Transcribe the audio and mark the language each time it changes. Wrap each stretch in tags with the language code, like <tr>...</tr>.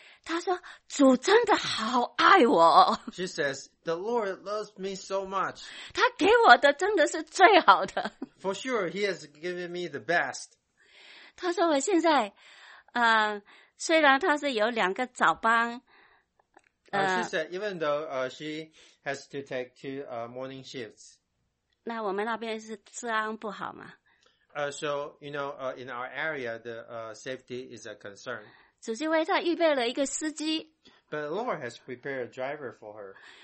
<zh>她说主真的好爱我。</zh> <en>She says, the Lord loves me so much.</en> <zh>他给我的真的是最好的。</zh> <en>For sure, he has given me the best.</en> <zh>她说我现在虽然她是有两个早班。</zh> <en>She said, even though she has to take two morning shifts.</en> <zh>那我们那边是治安不好吗？</zh> <en>in our area, the safety is a concern.</en> <zh>主席为她预备了一个司机。</zh> <en>But the Lord has prepared a driver for her.</en>